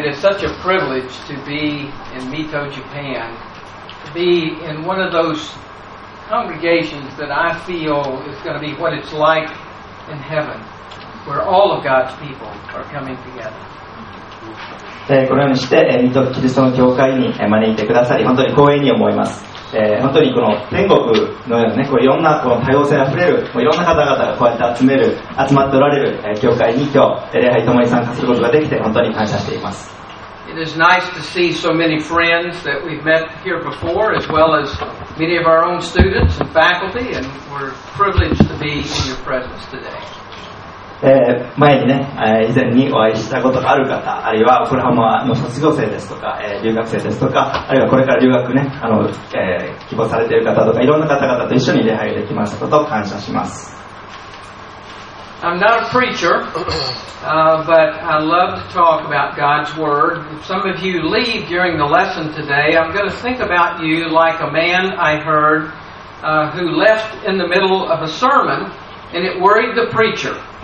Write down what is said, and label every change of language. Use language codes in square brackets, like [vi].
[en] It is such a privilege to be in Mito, Japan, to be in one of those congregations that I feel is going to be what it's like in heaven, where all of God's people are coming together. [ja] このようにして水戸キリストの教会に招いてくださり本当に光栄に思います。本当にこの天国のようなね、こういろんなこの多様性あふれる、いろんな方々がこうやって集まっておられる教会に今日礼拝ともに参加することができて本当に感謝しています。 [en] It is nice to see so many friends that we've met here before, as well as many of our own students and faculty, and we're privileged to be in your presence today. [ja] 前にね、以前にお会いしたことがある方、あるいはオクラホマの卒業生ですとか、留学生ですとか、あるいはこれから留学ね、希望されている方とか、いろんな方々と一緒に礼拝できましたことを感謝します。 [en] I'm not a preacher, but I love to talk about God's word. If some of you leave during the lesson today, I'm going to think about you like a man I heard, who left in the middle of a sermon and it worried the preacher.